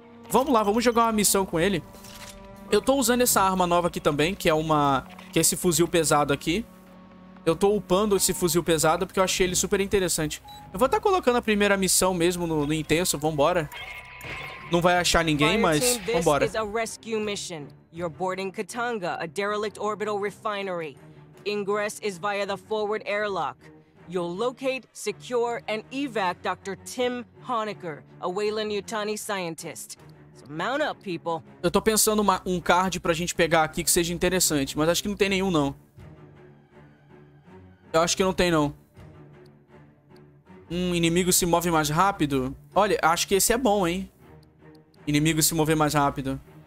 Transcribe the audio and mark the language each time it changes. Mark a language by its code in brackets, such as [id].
[pt] Vamos lá, vamos jogar uma missão com ele. Eu tô usando essa arma nova aqui também, que é uma... Que é esse fuzil pesado aqui. Eu tô upando esse fuzil pesado porque eu achei ele super interessante. Eu vou estar colocando a primeira missão mesmo no intenso. Vambora. Não vai achar ninguém, mas vambora. [en] You're boarding Katanga, a derelict orbital refinery. Ingress is via the forward airlock. You'll locate, secure, and evac Dr. Tim Honecker, a Weyland-Yutani scientist. So mount up, people. [pt] Eu tô pensando um card pra gente pegar aqui que seja interessante, mas acho que não tem nenhum, não. Eu acho que não tem, não. Um inimigo se move mais rápido? Olha, acho que esse é bom, hein? Inimigo se mover mais rápido.